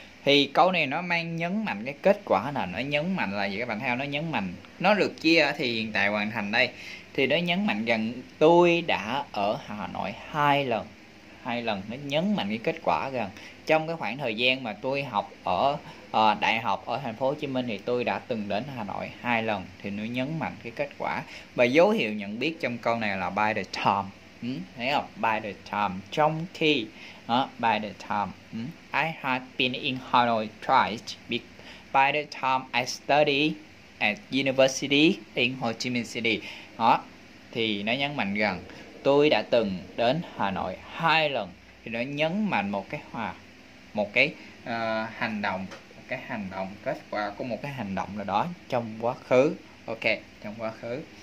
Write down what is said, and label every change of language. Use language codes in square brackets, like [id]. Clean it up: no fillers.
[vi] Thì câu này nó mang nhấn mạnh cái kết quả là nó nhấn mạnh là gì các bạn theo nó nhấn mạnh nó được chia thì hiện tại hoàn thành đây thì nó nhấn mạnh rằng tôi đã ở Hà Nội 2 lần. 2 lần nó nhấn mạnh cái kết quả rằng trong cái khoảng thời gian mà tôi học ở đại học ở thành phố Hồ Chí Minh thì tôi đã từng đến Hà Nội 2 lần, thì nó nhấn mạnh cái kết quả. Và dấu hiệu nhận biết trong câu này là by the time. Thấy không? [en] By the time, [vi] trong khi [en] by the time I have been in Hà Nội twice, by the time I study at university in Ho Chi Minh City. [vi] Đó. Thì nó nhấn mạnh rằng tôi đã từng đến Hà Nội 2 lần, thì nó nhấn mạnh một cái hành động, kết quả của một cái hành động là đó trong quá khứ. Ok, trong quá khứ.